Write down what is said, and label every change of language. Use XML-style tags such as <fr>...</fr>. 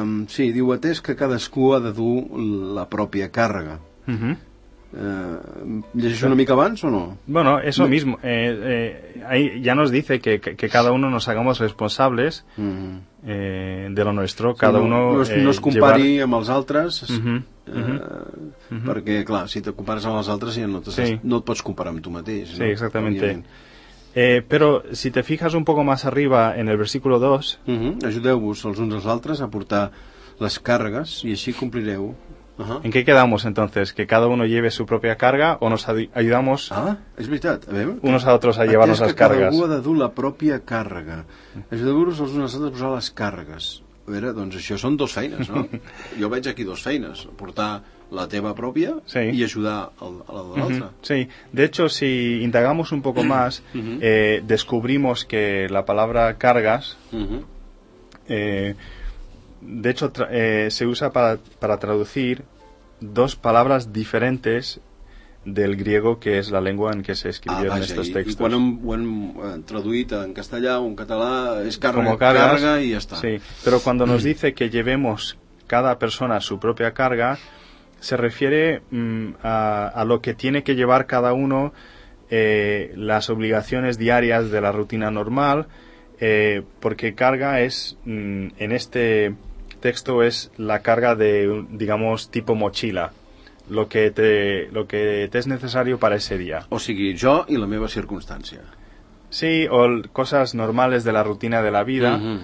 <ca>Sí, diu, atès que cadascú ha de dur la pròpia càrrega. ¿Llegeix una mica abans o no?</ca> <es>Bueno, eso mismo. Ahí ya nos dice que cada uno nos hagamos responsables de lo nuestro. Cada uno</es> <ca>no es compari llevar... amb els altres. Perquè, clar, si te compares amb els altres ja no, no et pots comparar amb tu mateix. Sí, no?</ca> <es>Exactamente. Però si te fijas un poco más arriba en el versículo 2...</es> <ca>Ajudeu-vos els uns als altres a portar les càrregues i així complireu.</ca> <es>¿En qué quedamos entonces? ¿Que cada uno lleve su propia carga o nos ayudamos</es> <ca>es veritat, a veure,</ca> <es>unos a otros a llevarnos las cargas?</es> <ca>Cada uno ha de dur la propia carga. Ayudeu-vos els uns als altres a posar les càrregues. A veure, doncs això són dos feines, no? Jo veig aquí dos feines. Portar la teva pròpia i ajudar a la de l'altra.</ca> <es>Sí. De hecho, si indagamos un poco más, descubrimos que la palabra cargas... De hecho, se usa para traducir dos palabras diferentes del griego, que es la lengua en que se escribieron estos textos. Y cuando han traducido en castellano o en catalán, es carga y ya está. Sí, pero cuando nos dice que llevemos cada persona su propia carga, se refiere a lo que tiene que llevar cada uno, las obligaciones diarias de la rutina normal, porque carga es, en este... texto es la carga de, digamos, tipo mochila, lo que te es necesario para ese día.</es> <ca>O sigui, jo i la meva circumstància.</ca> <es>Sí, o cosas normales de la rutina de la vida.</es>